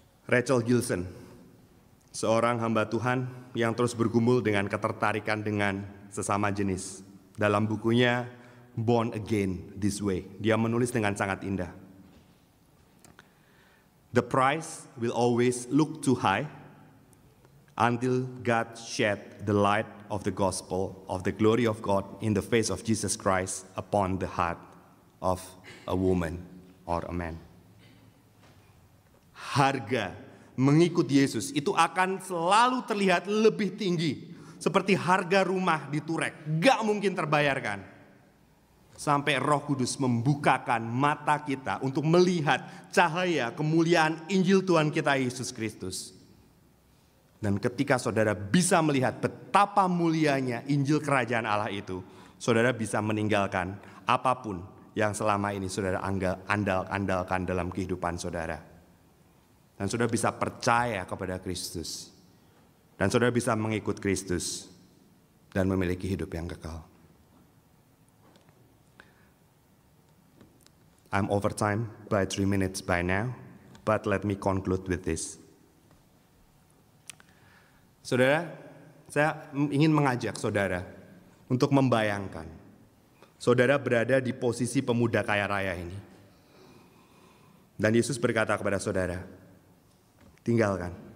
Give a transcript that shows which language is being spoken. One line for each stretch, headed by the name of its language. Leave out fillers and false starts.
Indonesian: Rachel Gilson, seorang hamba Tuhan yang terus bergumul dengan ketertarikan dengan sesama jenis, dalam bukunya Born Again This Way, dia menulis dengan sangat indah.
English: The price will always look too high until God shed the light of the gospel of the glory of God in the face of Jesus Christ upon the heart of a woman or a man.
Indonesian: Harga mengikut Yesus itu akan selalu terlihat lebih tinggi, seperti harga rumah di Turek, gak mungkin terbayarkan. Sampai Roh Kudus membukakan mata kita untuk melihat cahaya kemuliaan Injil Tuhan kita Yesus Kristus. Dan ketika saudara bisa melihat betapa mulianya Injil Kerajaan Allah itu, saudara bisa meninggalkan apapun yang selama ini saudara andalkan dalam kehidupan saudara. Dan saudara bisa percaya kepada Kristus. Dan saudara bisa mengikut Kristus dan memiliki hidup yang kekal.
English: I'm over time by 3 minutes by now, but let me conclude with this.
Indonesian: Saudara, saya ingin mengajak saudara untuk membayangkan saudara berada di posisi pemuda kaya raya ini. Dan Yesus berkata kepada saudara, tinggalkan.